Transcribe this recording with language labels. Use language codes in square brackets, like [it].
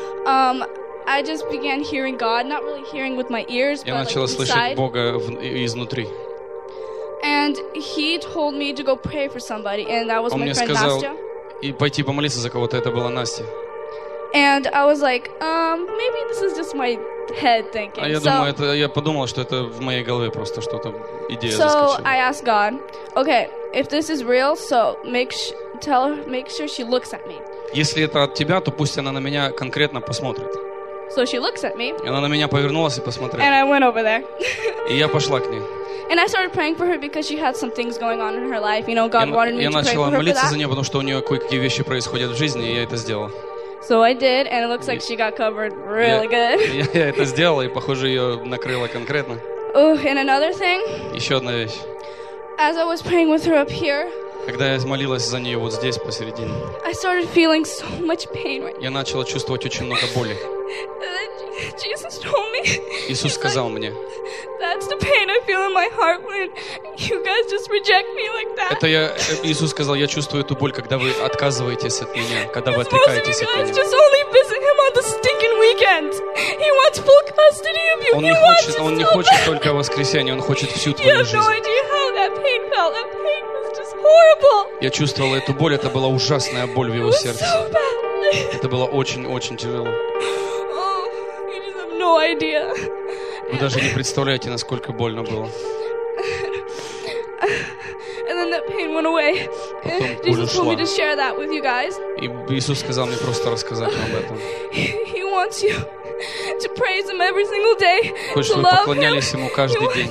[en] I just began hearing God, not really hearing with my ears, [ru] я начала [en] like [ru] слышать [en] inside. [ru] Бога изнутри. [en] And he told me to go pray for somebody, and that was [ru] Он [en] my friend [ru] сказал, Настя. И пойти помолиться за кого-то, это была Настя. [en] And I was like, maybe this is just my head thinking. [ru] А я думаю, это я подумал, что это в моей голове просто что-то идея заскочила. [en] So I asked God, okay, if this is real, so make sure she looks at me. [ru] Если это от тебя, то пусть она на меня конкретно посмотрит. [en] So she looks at me. [ru] И она на меня повернулась и посмотрела. [en] And I went over there. [ru] И я пошла к ней. [en] And I started praying for her because she had some things going on in her life. You know, God wanted me to pray for her. [ru] Я начала молиться за нее, потому что у нее кое-какие вещи происходят в жизни, и я это сделал. [en] So I did, and it looks like she got covered really good. [ru] Я это сделала, и похоже, ее накрыло конкретно. [en] Oh, and another thing. [ru] Еще одна вещь. [en] As I was praying with her up here. [ru] Когда я молилась за нее вот здесь посередине. [en] I started feeling so much pain right. [ru] Я начала чувствовать очень много боли. [en] Jesus told me. [ru] Иисус сказал мне. [en] The that's the pain I feel in my heart when you guys just reject me like that. [ru] Это я, Иисус сказал, я чувствую эту боль, когда вы отказываетесь от меня, когда вы отрекаетесь от меня. [en] Most of you guys just only visit him on the stinking weekend. He wants full custody of you. [ru] Он не хочет только воскресенье, он хочет всю твою жизнь. [en] You have no idea how that pain felt. That pain was just horrible. [ru] Я чувствовала эту боль, это была ужасная боль в его сердце. [en] It was so bad. [ru] Это было очень-очень тяжело. [en] Oh, you just have no idea. [ru] Вы даже не представляете, насколько больно было. [en] And then that pain went away. Jesus told me to share that with you guys. [ru] И Иисус сказал мне просто рассказать вам об этом. [en] He wants you to praise him every single day, to love him. [ru] Хочет, чтобы поклонялись ему каждый день.